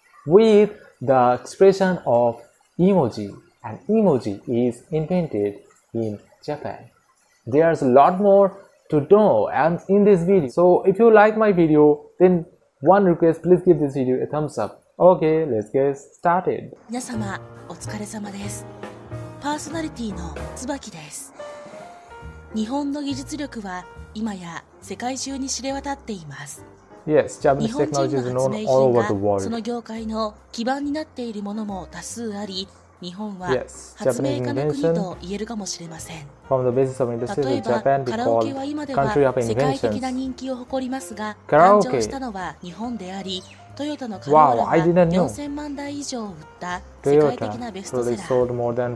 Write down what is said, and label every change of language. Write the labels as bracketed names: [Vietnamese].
[English] With the expression of emoji. And emoji is invented in Japan. There's a lot more to know and in this video. So if you like my video, then one request, please give this video a thumbs up. Okay, let's get started. [Japanese] 皆様お疲れ様です。パーソナリティの椿です。日本の技術力は今や世界中に知れ渡っています。 [English] Yes, Japanese technology is known all over the world. [Japanese] その業界の基盤になっているものも多数あり、日本は発明家の国と言えるかもしれません。例えばカラオケは今では世界的な人気を誇りますが、誕生したのは日本であり、トヨタのカローラが4000万台以上を売った世界的なベストセラー。